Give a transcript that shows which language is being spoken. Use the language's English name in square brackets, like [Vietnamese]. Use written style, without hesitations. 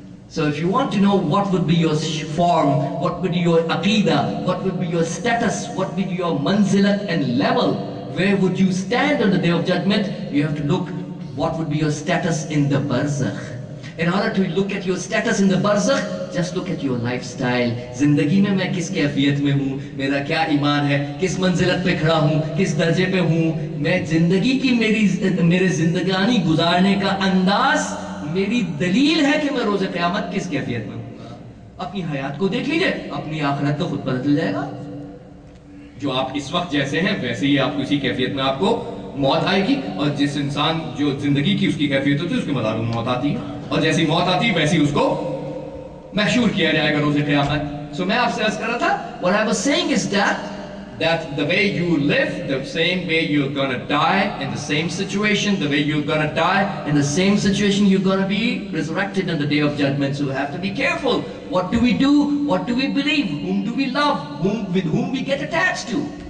[English] So if you want to know what would be your form, what would be your aqeedah, what would be your status, what would be your manzilat and level, where would you stand on the day of judgment, you have to look what would be your status in the barzakh. In order to look at your status in the barzakh, just look at your lifestyle. [Urdu] زندگی میں میں کس کیفیت میں ہوں, میرا کیا ایمان ہے, کس منزلت پہ کھڑا ہوں, کس درجے پہ ہوں, میں زندگی کی میرے زندگانی گزارنے کا انداز میری دلیل ہے کہ میں روز قیامت کس کیفیت میں ہوں. اپنی حیات کو دیکھ لیجیے, اپنی آخرت کو خود بدل جائے گا. جو آپ اس وقت جیسے ہیں ویسے ہی آپ اسی کیفیت میں آپ کو موت آئے گی, اور جس انسان جو زندگی کی اس کی کیفیت ہوتی ہے اس کے مطابق موت آتی ہے, اور جیسی موت آتی ویسی اس کو محشور کیا جائے گا روز قیامت. سو میں آپ سے عرض کر رہا تھا, [English] what I was saying is that the way you live, the same way you're gonna die, in the same situation, the way you're gonna die, in the same situation you're gonna be resurrected on the day of judgment. So you have to be careful. What do we do? What do we believe? Whom do we love? With whom we get attached to?